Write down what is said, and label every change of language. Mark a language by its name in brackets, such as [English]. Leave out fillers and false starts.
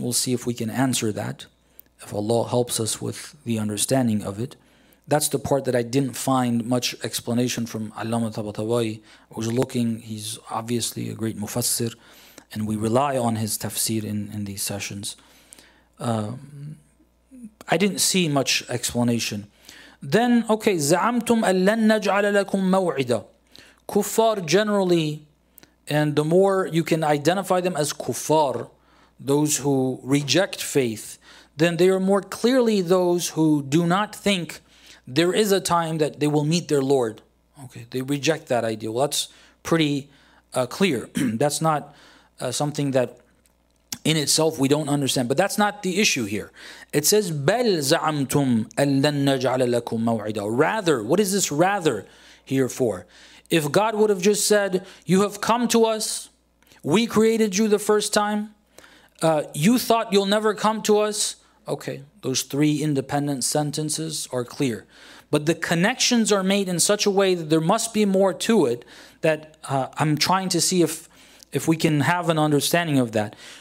[English] We'll see if we can answer that, if Allah helps us with the understanding of it. That's the part that I didn't find much explanation from Allama Tabatabai. I was looking. He's obviously a great mufassir, and we rely on his tafsir in these sessions. I didn't see much explanation. Then, okay, [Arabic] زَعَمْتُمْ أَلَّنْ نَجْعَلَ لَكُمْ مَوْعِدًا. [English] Kuffar generally, and the more you can identify them as kuffar, those who reject faith, then they are more clearly those who do not think there is a time that they will meet their Lord. Okay, they reject that idea. Well, that's pretty clear. That's not something that in itself we don't understand, but that's not the issue here. It says, [Arabic] بَلْ زَعَمْتُمْ أَلَّنْ نَجْعَلَ لَكُمْ مَوْعِدًا. [English] Rather, what is this rather here for? If God would have just said, you have come to us, we created you the first time, you thought you'll never come to us, okay, those three independent sentences are clear. But the connections are made in such a way that there must be more to it, that I'm trying to see if we can have an understanding of that.